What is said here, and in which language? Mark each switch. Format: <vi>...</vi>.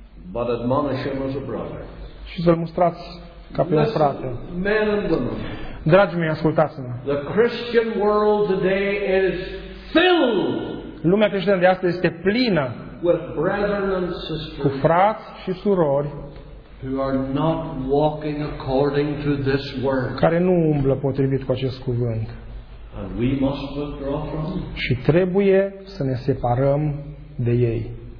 <en>but admonish him as a brother.</en> <ro>Și să-l mustrați ca pe un frate.</ro> <en>Men and women.</en> <ro>Dragii mei, ascultați-mă.</ro> <en>The Christian world today is filled.</en> <ro>Lumea creștină de astăzi este plină</ro> <en>with brethren and sisters,</en> <ro>cu frați și surori,</ro> <en>who are not walking according to this word.</en> <ro>Care nu umblă potrivit cu acest cuvânt.</ro> <en>And we must withdraw from.</en> <ro>Și trebuie să ne separăm de ei.</ro>